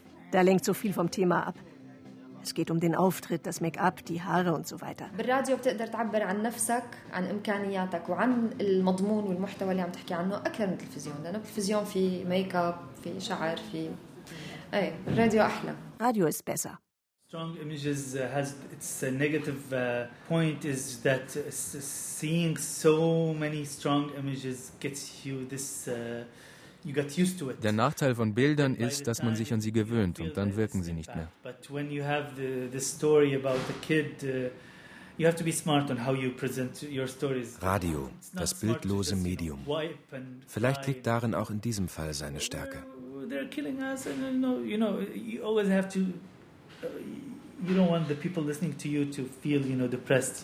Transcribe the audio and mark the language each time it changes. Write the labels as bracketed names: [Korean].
[German] Da lenkt so viel vom Thema ab. Es geht um den Auftritt, das Make-up, die Haare und so weiter. Im Radio kannst du über deine Fähigkeiten, über deine Möglichkeiten und über das Thema und das Inhalt, was du sprichst, mehr als auf der Television. Denn auf der Television gibt es Make-up, gibt es Haare, Radio ist besser. Radio ist besser. [English] Strong Images has its negative point is that seeing so many strong images gets you this, you get used to it. [German] Der Nachteil von Bildern ist, dass man sich an sie gewöhnt und dann wirken sie nicht mehr. [English] But when you have the story about the kid, you have to be smart on how you present your stories. [German] Radio, das bildlose Medium. Vielleicht liegt darin auch in diesem Fall seine Stärke. [English] They're killing us and you always have to. You don't want the people listening to you to feel, you know, depressed.